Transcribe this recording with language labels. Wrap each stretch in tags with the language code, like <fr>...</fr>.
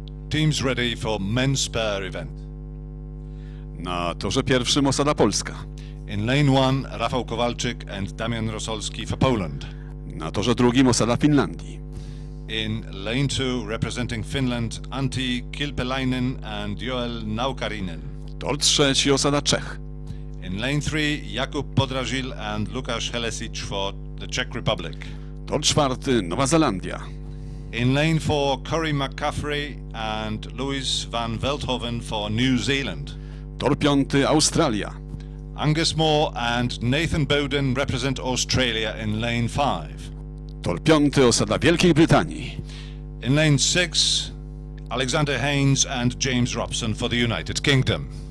<en>Teams ready for men's pair event.</en> <pl>Na torze pierwszym osada Polska.</pl> <en>In lane one, Rafał Kowalczyk and Damian Rosolski for Poland.</en> <pl>Na torze drugim osada Finlandii.</pl> <en>In lane two, representing Finland, Antti Kilpelainen and Joel Naukarinen.</en> <pl>Tor trzeci, osada Czech.</pl> <en>In lane three, Jakub Podrażil and Lukasz Helesic for the Czech Republic.</en> <pl>Tor czwarty, Nowa Zelandia.</pl> <en>In lane four, Corey McCaffrey and Louis van Veldhoven for New Zealand.</en> <pl>Tor piąty, Australia.</pl> <en>Angus Moore and Nathan Bowden represent Australia in lane five.</en> <pl>Tor piąty, osada Wielkiej Brytanii.</pl> <en>In lane six, Alexander Haynes and James Robson for the United Kingdom.</en>